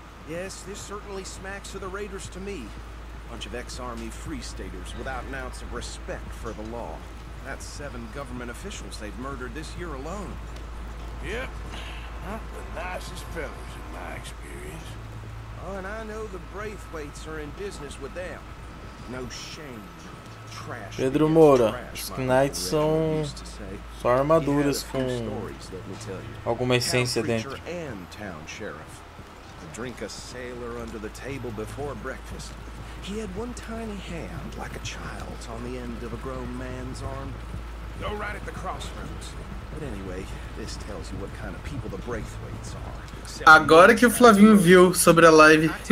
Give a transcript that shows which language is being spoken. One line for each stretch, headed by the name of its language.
English: Yes, this certainly smacks of the Raiders to me. Bunch of ex-army free staters without an ounce of respect for the law. That's 7 government officials they've murdered this year alone. Yep. Not the nicest fellas in my experience. Oh, and I know the Braithwaites are in business with them. No shame. Trash.
Portuguese: Pedro Moura. Os Knights são só armaduras com alguma essência dentro.
English: And town sheriff. Drink a sailor under the table before breakfast. He had one tiny hand, like a child's, on the end of a grown man's arm. Go right at the crossroads. But anyway, this tells you what kind of people the Braithwaites are.
Portuguese: Agora que o Flavinho viu sobre a live.